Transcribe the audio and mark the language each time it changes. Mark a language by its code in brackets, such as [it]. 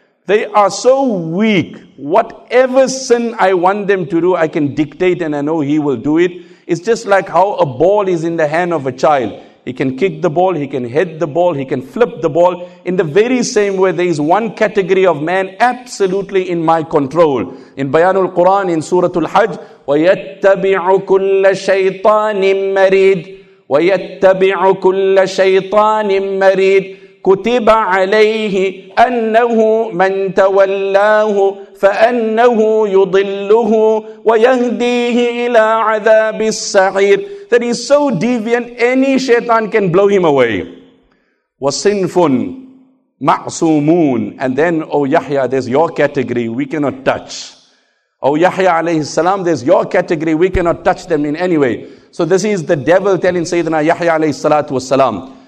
[en] They are so weak, whatever sin I want them to do, I can dictate and I know he will do it. It's just like how a ball is in the hand of a child. He can kick the ball, he can hit the ball, he can flip the ball. In the very same way, there is one category of man absolutely in my control. [ar] In Bayanul Quran, in Suratul Hajj, وَيَتَّبِعُ كُلَّ شَيْطَانٍ مَرِيدٍ وَيَتَّبِعُ كُلَّ شَيْطَانٍ مَرِيدٍ كُتِبَ عَلَيْهِ أَنَّهُ مَنْ تَوَلَّاهُ فَأَنَّهُ يُضِلُّهُ وَيَهْدِيهِ إِلَى عَذَابِ السَّعِيرِ. [en] That he's so deviant, any shaitan can blow him away. [ar] وَصِنْفٌ مَعْصُومُونَ. [en] And then, O Yahya, there's your category, we cannot touch. O Yahya alayhi salam, there's your category, we cannot touch them in any way. So this is the devil telling Sayyidina Yahya alayhi salatu wasalam.